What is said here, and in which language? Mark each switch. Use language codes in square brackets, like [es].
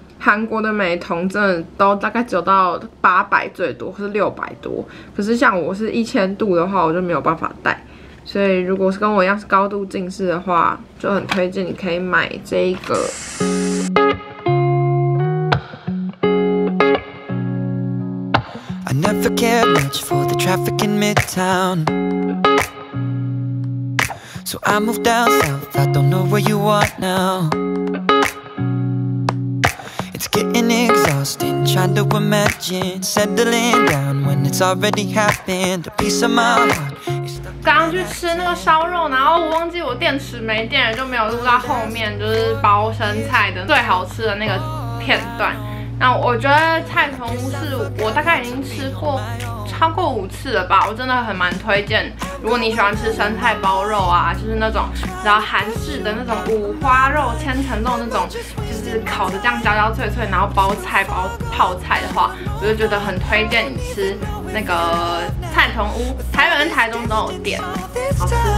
[zh] 韩国的美瞳真的都大概只有到800最多，或是600多。可是像我是1000度的话，我就没有办法戴。所以如果是跟我一样是高度近视的话，就很推荐你可以买这一个。 [en] I never cared much for the traffic in Midtown, so I moved down south. I don't know where you are now. Getting exhausting, trying to imagine settling down when it's already happened. A piece of my heart. [zh] 刚刚去吃那个烧肉，然后我忘记我电池没电了，就没有录到后面，就是包生菜的最好吃的那个片段。那我觉得菜虫屋是我大概已经吃过超过5次了吧，我真的很蛮推荐。如果你喜欢吃生菜包肉啊，就是那种然后韩式的那种五花肉、千层肉那种，就是烤的这样焦焦脆脆，然后包菜包泡菜的话，我就觉得很推荐你吃那个菜虫屋，台北跟台中都有店，好吃。